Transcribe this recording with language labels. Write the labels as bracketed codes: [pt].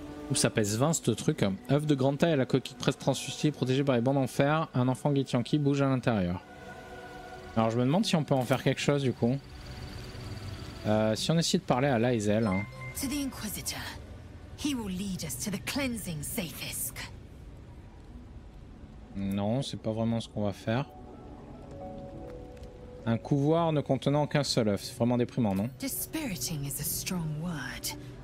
[fr] Où ça pèse 20 ce truc. Œuf de grande taille à la coquille presque translucide, protégée par les bandes en fer. Un enfant Githyanki bouge à l'intérieur. Alors je me demande si on peut en faire quelque chose du coup. Si on essaie de parler à Laizel. [en] To the Inquisitor. He will lead us to the cleansing safisk. [fr] Non, c'est pas vraiment ce qu'on va faire. Un couvoir ne contenant qu'un seul œuf. C'est vraiment déprimant, non? [en] Dispiriting is a strong word.